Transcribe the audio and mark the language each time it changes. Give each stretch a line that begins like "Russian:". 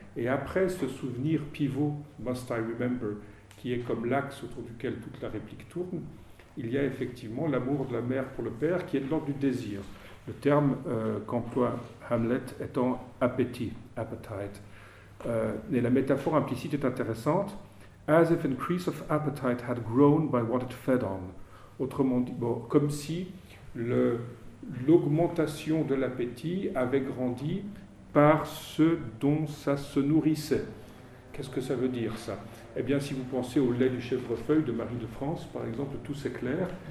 French: Et après ce souvenir pivot,
English: Must I Remember,
French: qui est comme l'axe autour duquel toute la réplique tourne, il y a effectivement l'amour de la mère pour le père qui est de l'ordre du désir. Le terme qu'emploie Hamlet étant appétit, appetite. Et la métaphore implicite est intéressante.
English: As if increase of appetite had grown by what it fed on.
French: Autrement dit, bon, comme si l'augmentation de l'appétit avait grandi par ce dont ça se nourrissait. Qu'est-ce que ça veut dire, ça? Eh bien, si vous pensez au lait du chèvrefeuille de Marie de France, par exemple, tout s'éclaire.